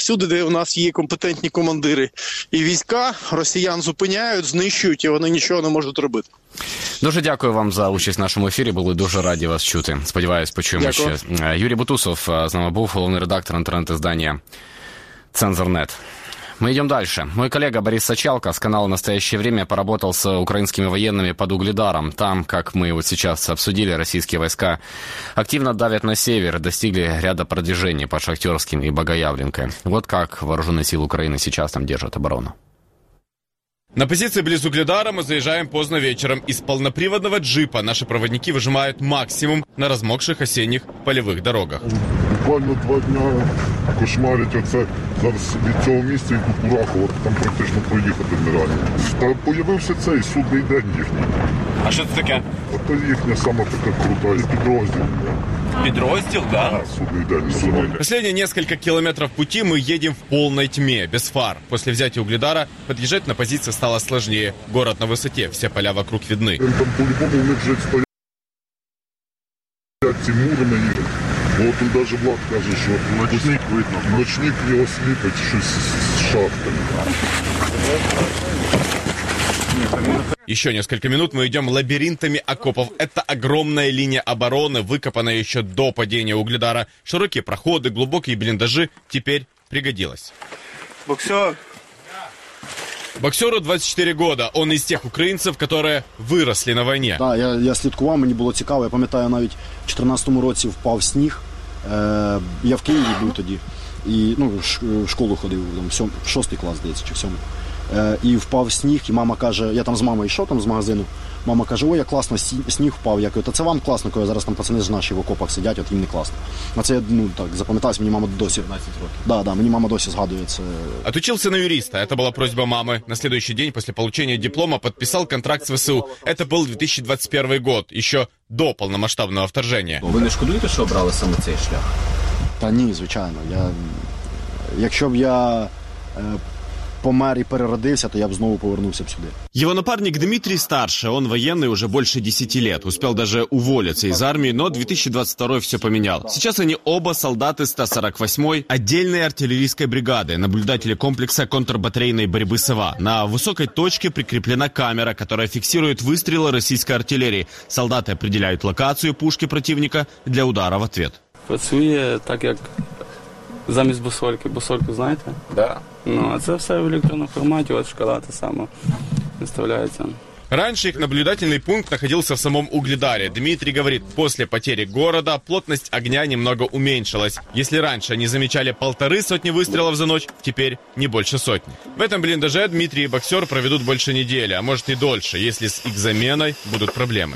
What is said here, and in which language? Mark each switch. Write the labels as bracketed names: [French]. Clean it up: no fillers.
[Ukrainian] Всюди, де у нас є компетентні командири і війська, росіян зупиняють, знищують, і вони нічого не можуть робити. Дуже дякую вам за участь в нашому ефірі. Були дуже раді вас чути. Сподіваюсь, почуємо ще. Юрій Бутусов з нами був, головний редактор інтернет-здання «Цензор.нет». [Russian] Мы идем дальше. Мой коллега Борис Сачалко с канала «Настоящее время» поработал с украинскими военными под Угледаром. Там, как мы вот сейчас обсудили, российские войска активно давят на север, достигли ряда продвижений под Шахтерским и Богоявленкой. Вот как вооруженные силы Украины сейчас там держат оборону. На позиции близ Угледара мы заезжаем поздно вечером. Из полноприводного джипа наши проводники выжимают максимум на размокших осенних полевых дорогах. [Ukrainian] Буквально два дня кошмарить оце зараз в цьому місці і Кукурахово, там практично проїхати не раді. Та появився цей судний день їхній. А що це таке? Це їхня сама така крута підрозділ. Підрозділ, да? [Russian] Последние несколько километров пути мы едем в полной тьме, без фар. После взятия Угледара подъезжать на позиции стало сложнее. Город на высоте, все поля вокруг видны. Там по-любому у них же стоят [Ukrainian] ці мурами їх. [Russian] Вот он даже Влад [Ukrainian] каже, що [Russian] ночник видно. [Ukrainian] Ночник його сліпить щось з шахтами. [Russian] Еще несколько минут мы идем лабиринтами окопов. Это огромная линия обороны, выкопанная еще до падения Угледара. Широкие проходы, глубокие блиндажи теперь пригодилось. Боксер! Боксеру 24 года. Он из тех украинцев, которые выросли на войне. [Ukrainian] Да, я слідкував, мені було цікаво. Я пам'ятаю, навіть в 14-му році впав сніг. Я в Києві був тоді. І, ну, в школу ходив, там, в 6-й клас, здається, чи в 7-му. І впав сніг, і мама каже, я там з мамою йшов там з магазину, мама каже, ой, як класно, сніг впав. Я кажу, та це вам класно, коли зараз там пацани ж наші в окопах сидять, от їм не класно. А це, ну, так, запам'яталось, мені мама досі. 15 років. Да, мені мама досі згадує це. [Russian] Отучился на юриста, это была просьба мамы. На следующий день после получения диплома подписал контракт с ВСУ. Это был 2021 год, еще до полномасштабного вторжения. [Ukrainian] Ви не шкодуєте, що обрали саме цей шлях? Та ні, звичайно. Якщо б я помер [Russian] и переродился, то я бы снова повернулся б сюда. Его напарник Дмитрий старше. Он военный уже больше 10 лет. Успел даже уволиться из армии, но 2022 все поменял. Сейчас они оба солдаты 148-й отдельной артиллерийской бригады, наблюдатели комплекса контрбатарейной борьбы СВА. На высокой точке прикреплена камера, которая фиксирует выстрелы российской артиллерии. Солдаты определяют локацию пушки противника для удара в ответ. [Ukrainian] Працює так, як замість бусольки. Бусольку знаєте? Да. Ну, а це все в електронному форматі, от шкала та сама виставляється. [Russian] Раньше их наблюдательный пункт находился в самом Угледаре. Дмитрий говорит, после потери города плотность огня немного уменьшилась. Если раньше они замечали 150 выстрелов за ночь, теперь не больше сотни. В этом блиндаже Дмитрий и боксер проведут больше недели, а может и дольше, если с их заменой будут проблемы.